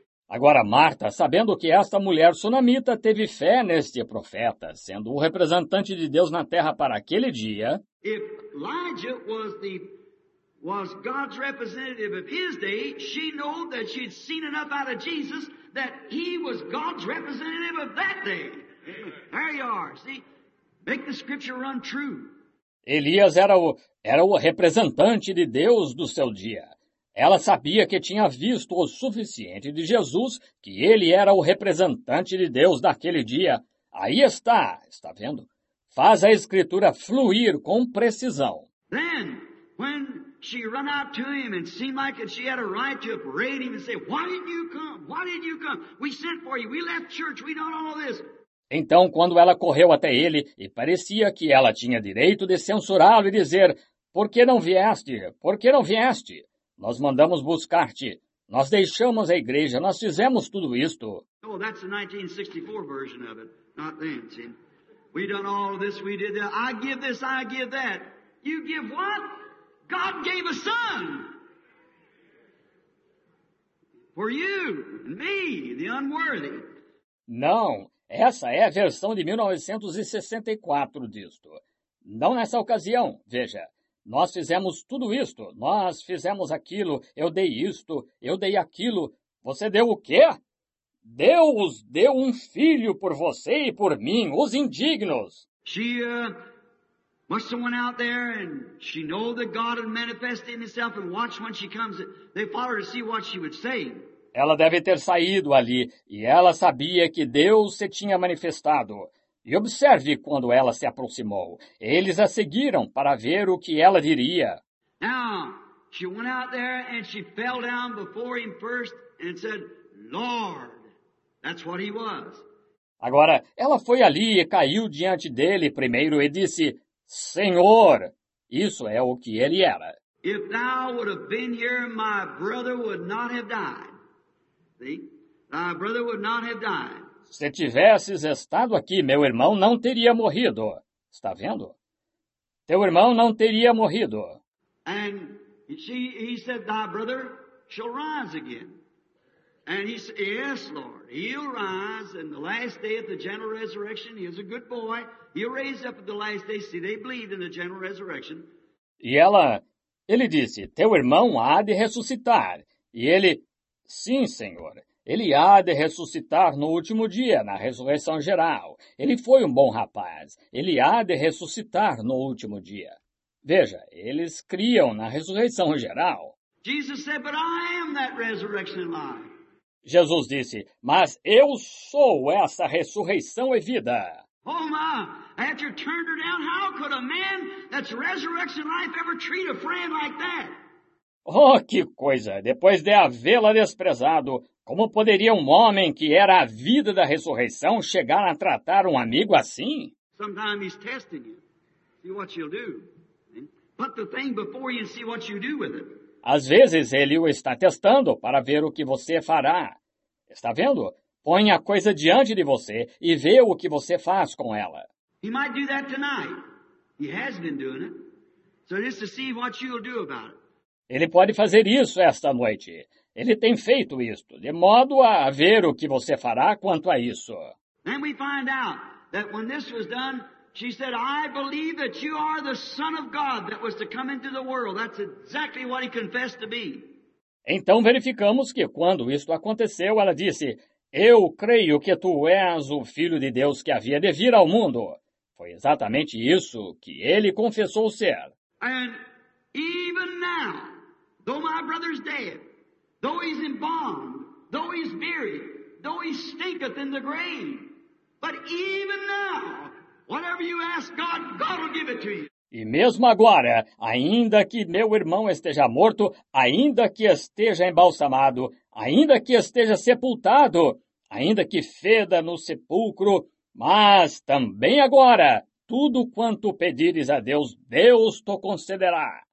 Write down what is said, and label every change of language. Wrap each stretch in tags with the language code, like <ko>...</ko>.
<pt>agora, Marta, sabendo que esta mulher sunamita teve fé neste profeta, sendo o representante de Deus na terra para aquele dia,</pt> <en>if Elijah was God's representative of his day, she knew that she'd seen enough out of Jesus that he was God's representative of that day. There you are, see? Make the scripture run true.</en> <pt>Elias era o representante de Deus do seu dia. Ela sabia que tinha visto o suficiente de Jesus, que ele era o representante de Deus daquele dia. Aí está vendo? faz a Escritura fluir com precisão.</pt> <en>Then, when she ran out to him and seemed like she had a right to parade him and say, "Why didn't you come? Why didn't you come? We sent for you. We left church. We don't know this."</en> <pt>Então, quando ela correu até ele e parecia que ela tinha direito de censurá-lo e dizer, "Por que não vieste? Por que não vieste? Nós mandamos buscar-te. Nós deixamos a igreja. Nós fizemos tudo isto."</pt> <en>Oh, that's the 1964 version of it. Not then, see. We done all of this. We did that. I give this. I give that. You give what? God gave a son. For you and me, the unworthy.</en> <pt>Não. Essa é a versão de 1964 disto. Não nessa ocasião. Veja. Nós fizemos tudo isto. Nós fizemos aquilo. Eu dei isto. Eu dei aquilo. Você deu o quê? Deus deu um filho por você e por mim, os indignos.</pt> <en>She must have went out there and she know that God had manifested himself and watched when she comes. They follow her to see what she would say.</en> <pt>Ela deve ter saído ali e ela sabia que Deus se tinha manifestado. E observe quando ela se aproximou. Eles a seguiram para ver o que ela diria.</pt> <en>Now, she went out there and she fell down before him first and said, "Lord." That's what he was.</en> <pt>Agora, ela foi ali e caiu diante dele primeiro e disse, "Senhor." Isso é o que ele era.</pt> <en>If thou would have been here, my brother would not have died. My brother would not have died.</en> <pt>Se tivesses estado aqui, meu irmão não teria morrido. Está vendo? Teu irmão não teria morrido.</pt> <en>And he said, "Thy brother shall rise again." And he said, "Yes, Lord, he'll rise in the last day at the general resurrection. He is a good boy. He'll raise up at the last day." See, they believed in the general resurrection.</en> <pt>E ele disse, "Teu irmão há de ressuscitar." E ele, "Sim, Senhor. Ele há de ressuscitar no último dia, na ressurreição geral. Ele foi um bom rapaz. Ele há de ressuscitar no último dia." Veja, eles criam na ressurreição geral.</pt> <en>Jesus said, "But I am that resurrection and life."</en> <pt>Jesus disse, "Mas eu sou essa ressurreição e vida."</pt> <en>Oh, my, after you turned her down, how could a man that's resurrection and life ever treat a friend like that?</en> <pt>Oh, que coisa! Depois de havê-la desprezado, como poderia um homem que era a vida da ressurreição chegar a tratar um amigo assim?</pt> <en>Sometimes he's testing you. See what you'll do. Put the thing before you and see what you do with it.</en> <pt>Às vezes ele o está testando para ver o que você fará. Está vendo? Põe a coisa diante de você e vê o que você faz com ela.</pt> <en>He might do that tonight. He has been doing it. So just to see what you'll do about it.</en> <pt>Ele pode fazer isso esta noite. Ele tem feito isto, de modo a ver o que você fará quanto a isso.</pt> <en>Then we find out that when this was done, she said, "I believe that you are the Son of God that was to come into the world." That's exactly what he confessed to be.</en> <pt>Então verificamos que quando isto aconteceu, ela disse, "Eu creio que tu és o Filho de Deus que havia de vir ao mundo." Foi exatamente isso que ele confessou ser.</pt> <en>And even now, though my brother's dead, though he's embalmed, though he's buried, though he stinketh in the grave, but even now, whatever you ask God, God will give it to you.</en> <pt>E mesmo agora, ainda que meu irmão esteja morto, ainda que esteja embalsamado, ainda que esteja sepultado, ainda que feda no sepulcro, mas também agora, tudo quanto pedires a Deus, Deus te concederá.</pt>